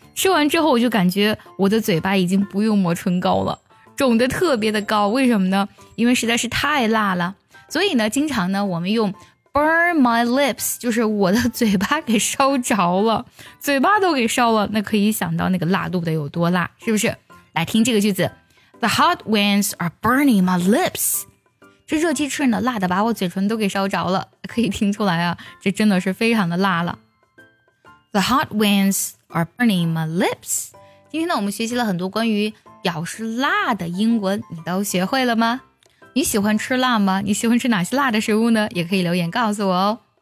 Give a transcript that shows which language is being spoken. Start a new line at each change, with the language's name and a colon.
Chinese: 吃完之后我就感觉我的嘴巴已经不用抹唇膏了，肿得特别的高。为什么呢？因为实在是太辣了。所以呢，经常呢我们用
English: burn my lips，
Chinese: 就是我的嘴巴给烧着了，嘴巴都给烧了，那可以想到那个辣度得有多辣，是不是？来听这个句子。
English: The hot winds are burning my lips.
Chinese: 这热气吹呢，辣的把我嘴唇都给烧着了。可以听出来啊，这真的是非常的辣了。
English: The hot winds are burning my lips.
Chinese: 今天呢，我们学习了很多关于表示辣的英文，你都学会了吗？你喜欢吃辣吗？你喜欢吃哪些辣的食物呢？也可以留言告诉我哦。